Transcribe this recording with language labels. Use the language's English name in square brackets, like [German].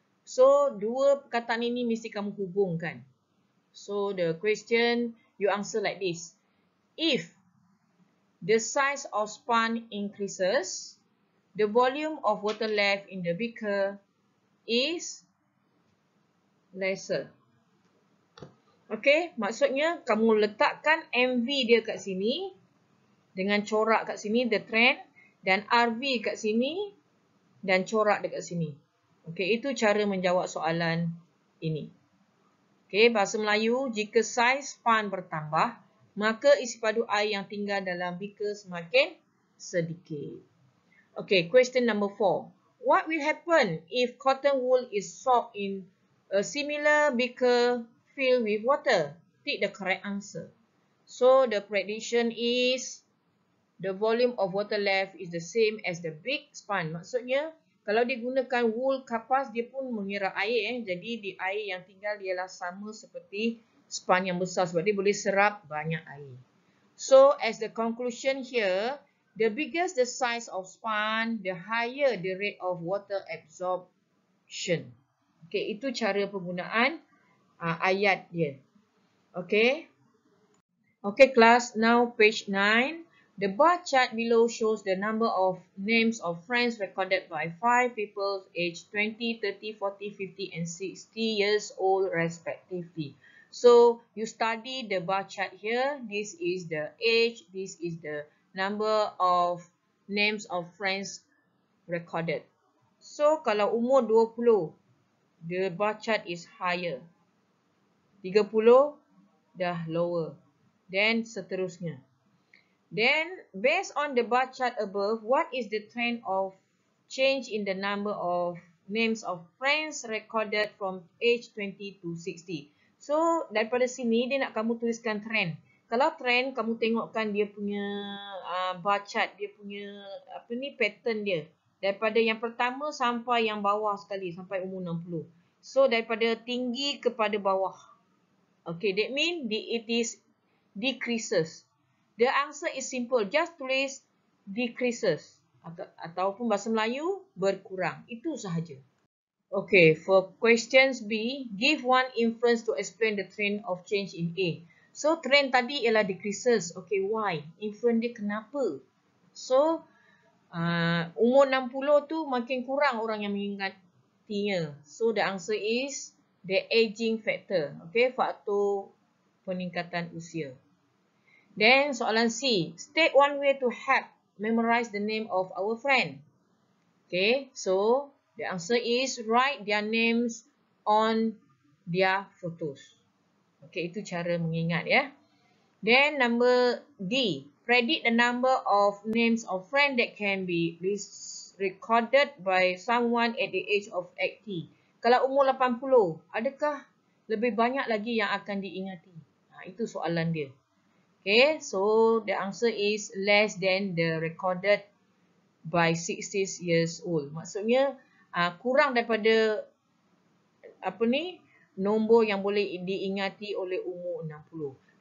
[Malay] So, dua perkataan ini mesti kamu hubungkan. [English] So, the question, you answer like this. If the size of span increases, the volume of water left in the beaker is lesser. [Malay] Okay, maksudnya kamu letakkan MV dia kat sini dengan corak kat sini, the trend, dan RV kat sini dan corak dekat sini. Okay, itu cara menjawab soalan ini. Okay, bahasa Melayu, jika size span bertambah, maka isi padu air yang tinggal dalam beaker semakin sedikit. [English] Okay, question number 4. What will happen if cotton wool is soaked in a similar beaker filled with water? Take the correct answer. So, the prediction is the volume of water left is the same as the big span. [Malay] Maksudnya, kalau dia gunakan wool kapas, dia pun mengira air. Jadi, di air yang tinggal ialah sama seperti span yang besar sebab dia boleh serap banyak air. [English] So, as the conclusion here, the bigger the size of span, the higher the rate of water absorption. [Malay] Okay, itu cara penggunaan ayat dia. [English] Okay. Okay, class, now page 9. The bar chart below shows the number of names of friends recorded by 5 people aged 20, 30, 40, 50 and 60 years old respectively. So, you study the bar chart here. This is the age. This is the number of names of friends recorded. So, [Malay] kalau umur 20, [English] the bar chart is higher. [Malay] 30, dah lower. Then, seterusnya. [English] Then, based on the bar chart above, what is the trend of change in the number of names of friends recorded from age 20 to 60? [Malay] So, daripada sini, dia nak kamu tuliskan trend. Kalau trend, kamu tengokkan dia punya bar chart, dia punya apa ni pattern dia. Daripada yang pertama sampai yang bawah sekali, sampai umur 60. So, daripada tinggi kepada bawah. [English] Okay, that mean it is decreases. The answer is simple. Just tulis decreases. [Malay] Ataupun bahasa Melayu, berkurang. Itu sahaja. [English] Okay, for questions B, give one inference to explain the trend of change in A. [Malay] So, trend tadi ialah decreases. Okay, why? Inference dia kenapa? So, umur 60 tu makin kurang orang yang mengingatinya. [English] So, the answer is the aging factor. Okay, [Malay] faktor peningkatan usia. [English] Then, soalan C, state one way to help memorize the name of our friend. Okay, so, the answer is write their names on their photos. [Malay] Okay, itu cara mengingat ya. [English] Then number D, predict the number of names of friends that can be recorded by someone at the age of 80. [Malay] Kalau umur 80, adakah lebih banyak lagi yang akan diingati? Ha, itu soalan dia. [English] Okay, so the answer is less than the recorded by 60 years old. [Malay] Maksudnya, kurang daripada apa ni, nombor yang boleh diingati oleh umur 60.